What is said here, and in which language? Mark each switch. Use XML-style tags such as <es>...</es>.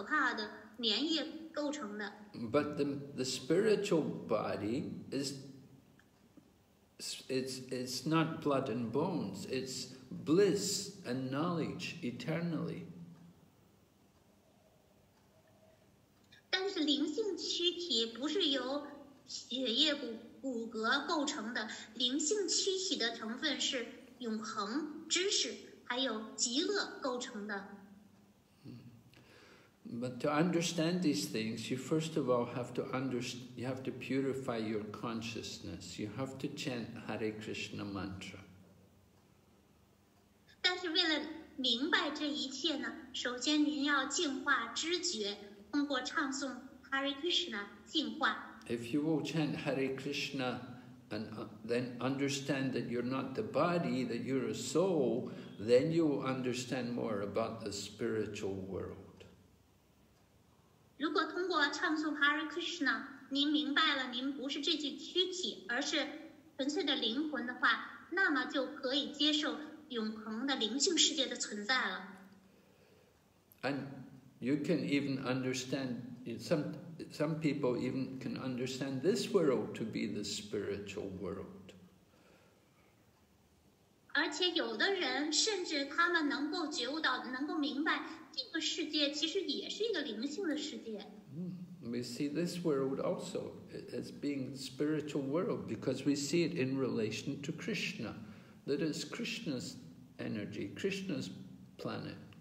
<zh>我们现在的这具物质躯体呢，是由血液、骨骼和各种各样的可怕的粘液构成的。</zh> <en>But the spiritual body is not blood and bones, it's bliss and knowledge eternally.</en> <zh>但是灵性躯体不是由血液骨骼构成的，灵性躯体的成分是永恒知识，还有极乐构成的。</zh> <en>But to understand these things, you first of all have to understand, you have to purify your consciousness. You have to chant Hare Krishna mantra.</en> <zh>但是为了明白这一切呢，首先您要净化知觉，通过唱诵 Hare Krishna 净化。</zh> <en>If you will chant Hare Krishna and then understand that you're not the body, that you're a soul, then you will understand more about the spiritual world.</en> <zh>如果通过唱诵 Hare Krishna 您明白了您不是这具躯体而是纯粹的灵魂的话，那么就可以接受永恒的灵性世界的存在了。</zh> <en>And you can even understand, some people even can understand this world to be the spiritual world.</en> <zh>而且有的人甚至他们能够觉悟到，能够明白这个世界其实也是一个灵性的世界。</zh> <en>We see this world also as being spiritual world because we see it in relation to Krishna, that is Krishna's energy, Krishna's planet.</en>